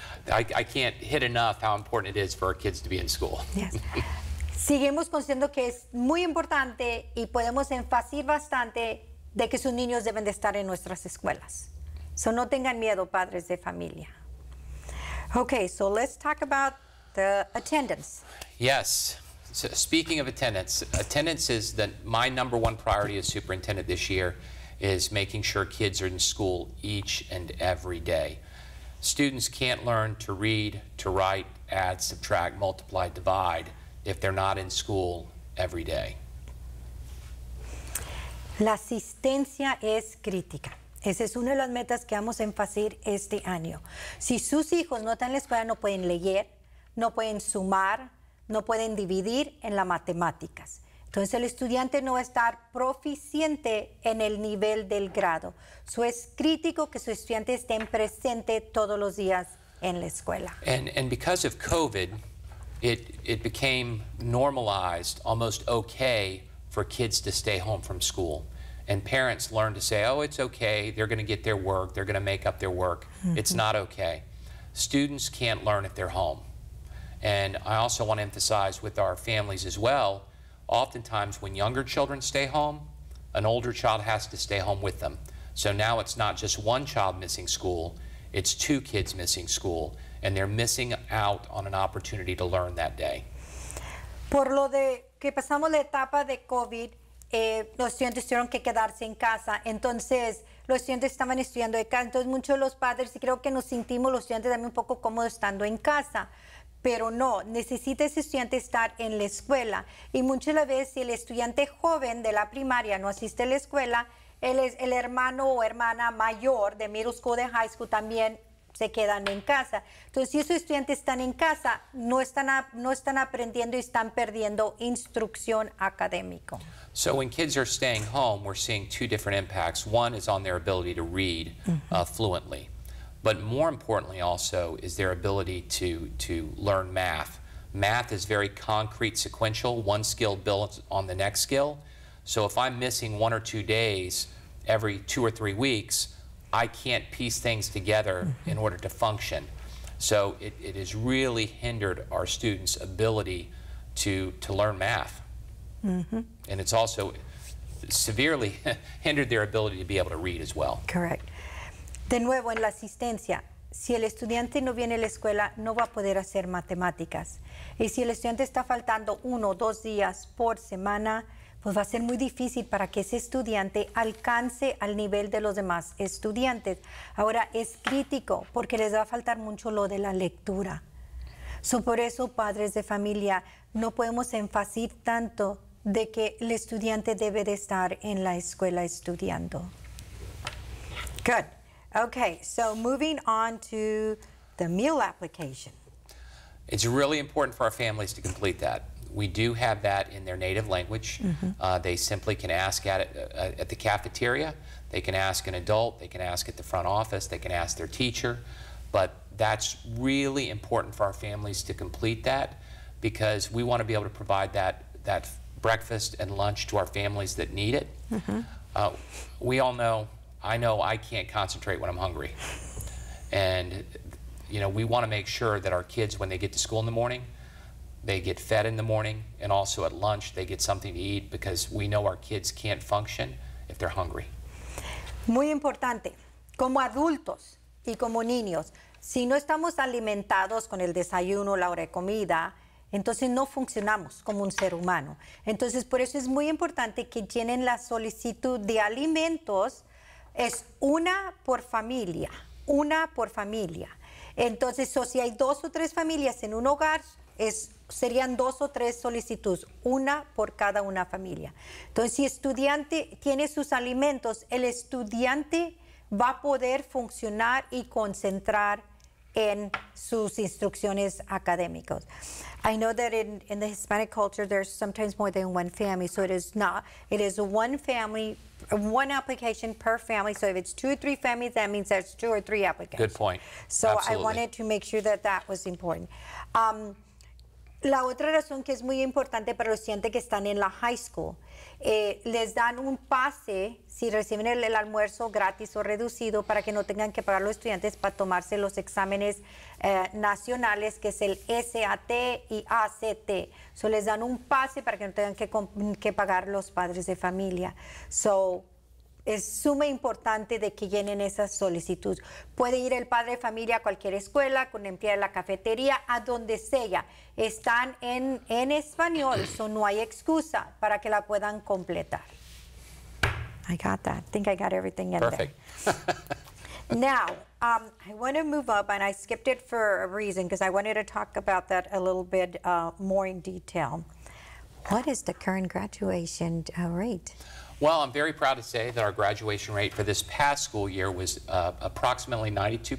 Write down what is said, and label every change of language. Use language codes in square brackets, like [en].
[en] I can't hit enough how important it is for our kids to be in school. Yes. [es] Seguimos considerando que es muy importante y podemos enfatizar bastante de que sus niños deben de estar en nuestras escuelas. [en] So, [es] no tengan miedo, padres de familia. [en] Okay, so let's talk about the attendance. Yes. So, speaking of attendance, attendance is my number one priority as superintendent this year, is making sure kids are in school each and every day. Students can't learn to read, to write, add, subtract, multiply, divide, if they're not in school every day. [es] La asistencia es crítica. Esa es una de las metas que vamos a enfatizar este año. Si sus hijos no están en la escuela, no pueden leer, no pueden sumar, no pueden dividir en las matemáticas. Entonces, el estudiante no va a estar proficiente en el nivel del grado. So, es crítico que su estudiante esté presente todos los días en la escuela. [en] And because of COVID, it became normalized, almost okay, for kids to stay home from school. And parents learned to say, oh, it's okay, they're gonna get their work, they're gonna make up their work, mm-hmm. it's not okay. Students can't learn if they're home. And I also wanna emphasize with our families as well, oftentimes when younger children stay home, an older child has to stay home with them. So now it's not just one child missing school, it's two kids missing school. And they're missing out on an opportunity to learn that day. [es] Por lo de que pasamos la etapa de COVID, los estudiantes tuvieron que quedarse en casa. Entonces, los estudiantes estaban estudiando de casa. Entonces, muchos de los padres, y creo que nos sentimos los estudiantes también un poco cómodos estando en casa. Pero no, necesita ese estudiante estar en la escuela. Y muchas de las veces, si el estudiante joven de la primaria no asiste a la escuela, él es el hermano o hermana mayor de middle school, de high school también, se quedan en casa. Entonces, si esos estudiantes están en casa, no están aprendiendo y están perdiendo instrucción académica. [en] So, when kids are staying home, we're seeing two different impacts. One is on their ability to read fluently. But more importantly also is their ability to learn math. Math is very concrete, sequential. One skill builds on the next skill. So, if I'm missing one or two days every two or three weeks, I can't piece things together in order to function. So it has really hindered our students' ability to learn math. Mm-hmm. And it's also severely hindered their ability to be able to read as well. Correct. [es] De nuevo, en la asistencia, si el estudiante no viene a la escuela, no va a poder hacer matemáticas. Y si el estudiante está faltando uno o dos días por semana, pues va a ser muy difícil para que ese estudiante alcance al nivel de los demás estudiantes. Ahora, es crítico porque les va a faltar mucho lo de la lectura. So, por eso, padres de familia, no podemos enfatizar tanto de que el estudiante debe de estar en la escuela estudiando. [en] Good. Okay, so moving on to the meal application. It's really important for our families to complete that. We do have that in their native language. Mm-hmm. They simply can ask at the cafeteria. They can ask an adult. They can ask at the front office. They can ask their teacher. But that's really important for our families to complete that, because we want to be able to provide that breakfast and lunch to our families that need it. Mm-hmm. We all know, I know I can't concentrate when I'm hungry. And, you know, we want to make sure that our kids, when they get to school in the morning, they get fed in the morning, and also at lunch they get something to eat, because we know our kids can't function if they're hungry. [es] Muy importante, como adultos y como niños, si no estamos alimentados con el desayuno, la hora de comida, entonces no funcionamos como un ser humano. Entonces, por eso es muy importante que llenen la solicitud de alimentos. Es una por familia, una por familia. Entonces, si hay dos o tres familias en un hogar, serían dos o tres solicitudes, una por cada una familia. Entonces, si estudiante tiene sus alimentos, el estudiante va a poder funcionar y concentrar en sus instrucciones académicas. [en] I know that in the Hispanic culture, there's sometimes more than one family. So it is one family, one application per family. So if it's two or three families, that means there's two or three applications. Good point. So absolutely. I wanted to make sure that was important. [es] La otra razón que es muy importante para los estudiantes que están en la high school, les dan un pase si reciben el almuerzo gratis o reducido, para que no tengan que pagar los estudiantes para tomarse los exámenes nacionales, que es el SAT y ACT. So, les dan un pase para que no tengan que pagar los padres de familia. So, es suma importante de que llenen esas solicitudes. Puede ir el padre de familia a cualquier escuela, con empleada de la cafetería, a donde sea. Están en español, so no hay excusa para que la puedan completar. [en] I got that. I think I got everything in there. Perfect. Now, I want to move up, and I skipped it for a reason, because I wanted to talk about that a little bit more in detail. What is the current graduation rate? Well, I'm very proud to say that our graduation rate for this past school year was approximately 92%.